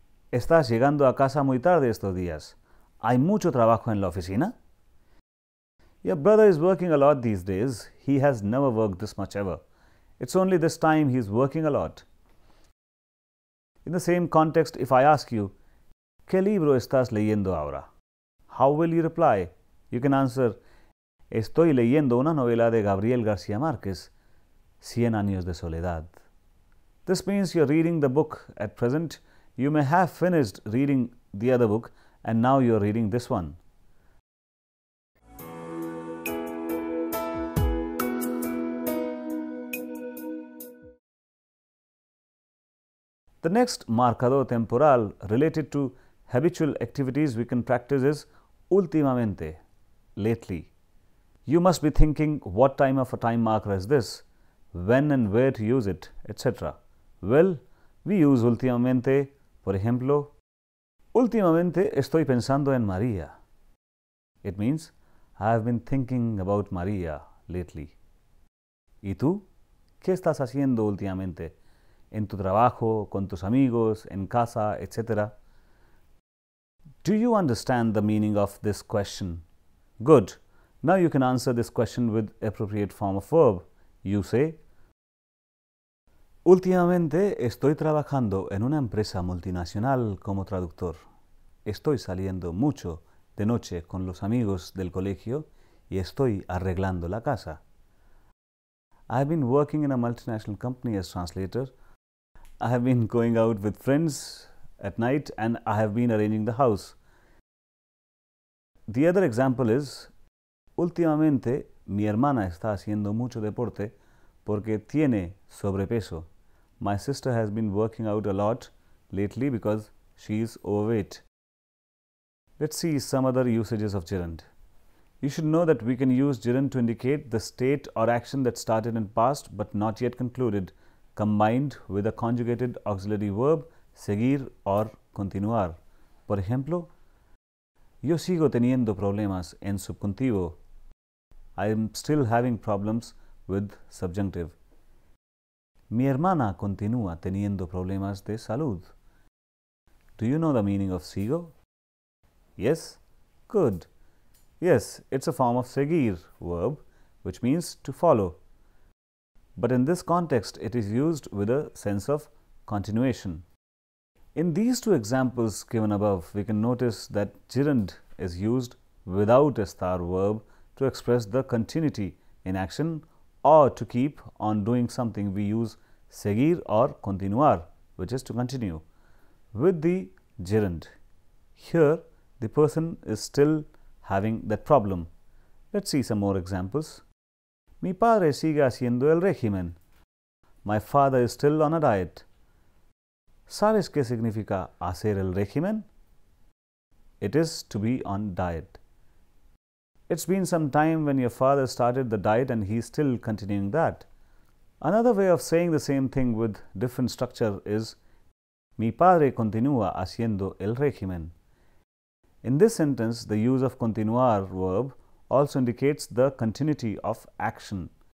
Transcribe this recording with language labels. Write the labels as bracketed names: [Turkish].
[Spanish] Estás llegando a casa muy tarde estos días. Hay mucho trabajo en la oficina. [English] Your brother is working a lot these days. He has never worked this much ever. It's only this time he is working a lot. In the same context, if I ask you, [Spanish] ¿Qué libro estás leyendo ahora? [English] How will you reply? You can answer, [Spanish] Estoy leyendo una novela de Gabriel García Márquez, Cien Años de Soledad. [English] This means you're reading the book at present. You may have finished reading the other book and now you're reading this one. The next marcador temporal related to habitual activities we can practice is últimamente, lately. You must be thinking, what time of a time marker is this? When and where to use it, etc. Well, we use [Spanish] últimamente, por ejemplo, Últimamente estoy pensando en María. [English] It means, I have been thinking about María lately. [Spanish] ¿Y tú? ¿Qué estás haciendo últimamente? ¿En tu trabajo, con tus amigos, en casa, etc.? [English] Do you understand the meaning of this question? Good. Now you can answer this question with appropriate form of verb. You say, [Spanish] Últimamente estoy trabajando en una empresa multinacional como traductor. Estoy saliendo mucho de noche con los amigos del colegio y estoy arreglando la casa. [English] I've been working in a multinational company as translator. I have been going out with friends at night and I have been arranging the house. The other example is, [Spanish] Últimamente, mi hermana está haciendo mucho deporte porque tiene sobrepeso. [English] My sister has been working out a lot lately because she is overweight. Let's see some other usages of gerund. You should know that we can use gerund to indicate the state or action that started in past but not yet concluded, combined with a conjugated auxiliary verb, seguir or continuar. [Spanish] Por ejemplo, Yo sigo teniendo problemas en subjuntivo. [English] I am still having problems with subjunctive. [Spanish] Mi hermana continúa teniendo problemas de salud. [English] Do you know the meaning of sigo? Yes? Good. Yes, it's a form of seguir verb, which means to follow. But in this context, it is used with a sense of continuation. In these two examples given above, we can notice that gerund is used without a estar verb to express the continuity in action or to keep on doing something. We use seguir or continuar, which is to continue, with the gerund. Here, the person is still having that problem. Let's see some more examples. [Spanish] Mi padre sigue haciendo el régimen. [English] My father is still on a diet. [Spanish] ¿Sabes qué significa hacer el régimen? [English] It is to be on diet. It's been some time when your father started the diet and he's still continuing that. Another way of saying the same thing with different structure is [Spanish] Mi padre continúa haciendo el régimen. [English] In this sentence, the use of continuar verb also indicates the continuity of action.